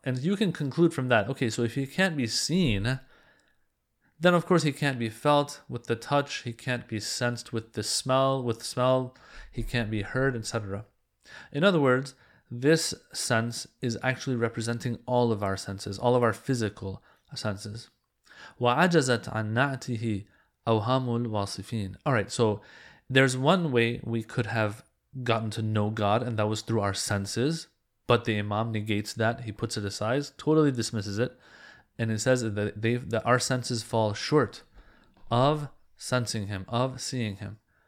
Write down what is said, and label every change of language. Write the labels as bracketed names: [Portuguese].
[English] And you can conclude from that, okay, so if he can't be seen, then of course he can't be felt with the touch, he can't be sensed with smell, he can't be heard, etc. In other words, this sense is actually representing all of our senses, all of our physical senses. [Arabic] وعجزت عن نعته أوهام الواصفين. [English] All right, so there's one way we could have gotten to know God, and that was through our senses. But the Imam negates that. He puts it aside, totally dismisses it. And it says that our senses fall short of sensing him, of seeing him.